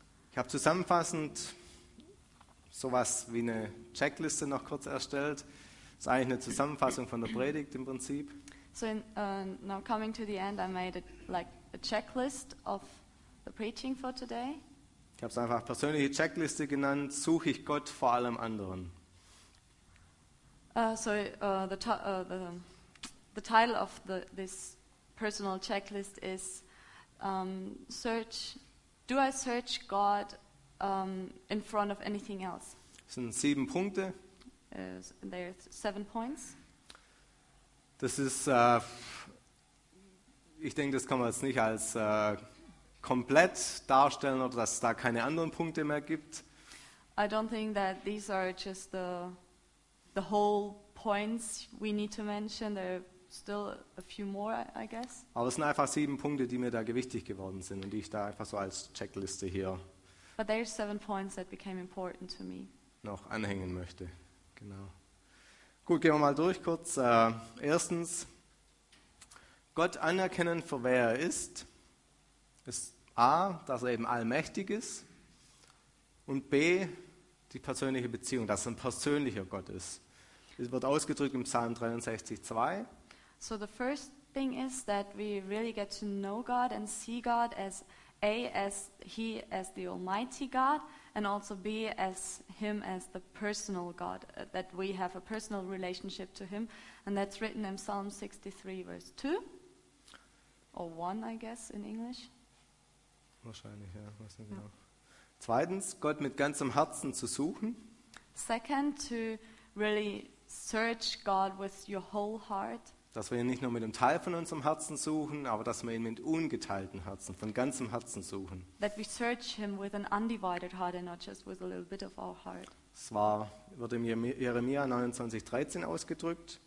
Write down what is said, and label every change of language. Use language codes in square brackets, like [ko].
[de] Ich habe zusammenfassend sowas wie eine Checkliste noch kurz erstellt. Das ist eigentlich eine Zusammenfassung von der Predigt im Prinzip. [en] So in, now coming to the end, I made a checklist of the preaching for today. [de] Ich habe es einfach persönliche Checkliste genannt. Suche ich Gott vor allem anderen? [en] The title of this personal checklist is Do I search God in front of anything else? [de] Es sind 7 Punkte. [en] There are 7 points. [de] Das ist, ich denke, das kann man jetzt nicht als komplett darstellen oder dass es da keine anderen Punkte mehr gibt. [en] I don't think that these are just the whole points we need to mention. There are still a few more, I guess. [de] Aber es sind einfach 7 Punkte, die mir da gewichtig geworden sind und die ich da einfach so als Checkliste hier. [en] But there are 7 points that became important to me. [de] Noch anhängen möchte, genau. Gut, gehen wir mal durch kurz. Erstens, Gott anerkennen, für wer er ist, ist A, dass er eben allmächtig ist, und B, die persönliche Beziehung, dass er ein persönlicher Gott ist. Es wird ausgedrückt im Psalm 63,2. [en] So the first thing is that we really get to know God and see God as A, as he as the almighty God, and also B, as him as the personal God, that we have a personal relationship to him. And that's written in Psalm 63, verse 2. or one, I guess, in English. [de] Wahrscheinlich, ja. Weiß nicht genau. Zweitens, Gott mit ganzem Herzen zu suchen. [en] Second, to really search God with your whole heart. [de] Dass wir ihn nicht nur mit einem Teil von unserem Herzen suchen, aber dass wir ihn mit ungeteilten Herzen, von ganzem Herzen suchen. [en] That we search him with an undivided heart and not just with a little bit of our heart. [de] Es war, wird im Jeremia 29,13 ausgedrückt.